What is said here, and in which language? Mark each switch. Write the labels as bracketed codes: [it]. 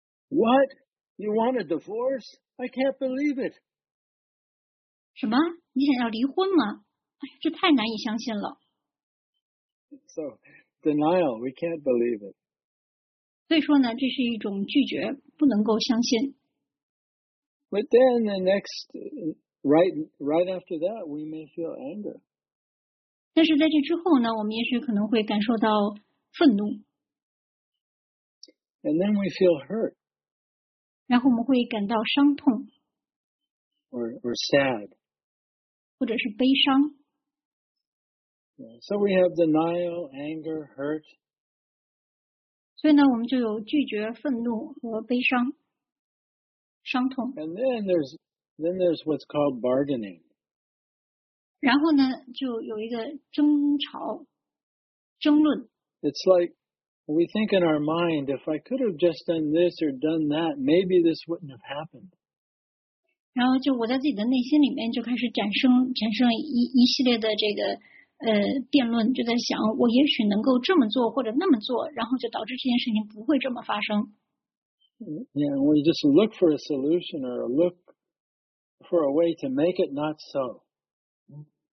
[en] What? You want a divorce? I can't believe it. [zh] 什么？你想要离婚吗？哎，这太难以相信了。 [en] So, denial. We can't believe it. [zh] 所以说呢，这是一种拒绝，不能够相信。 [en] But then the next, right after that, we may feel anger. [zh] 但是在这之后呢，我们也许可能会感受到愤怒。 [en] And then we feel hurt. [zh] 然后我们会感到伤痛。 [en] Or sad. [zh] 或者是悲伤。 [en] So we have denial, anger, hurt. [zh] 所以呢，我们就有拒绝、愤怒和悲伤、伤痛。 [en] And then there's what's called bargaining. [zh] 然后呢，就有一个争吵、争论。 [en] It's like we think in our mind, if I could have just done this or done that, maybe this wouldn't have happened. [zh] 然后就我在自己的内心里面就开始产生一系列的这个。辩论就在想，我也许能够这么做或者那么做，然后就导致这件事情不会这么发生。 [en] Yeah, we just look for a solution or look for a way to make it not so.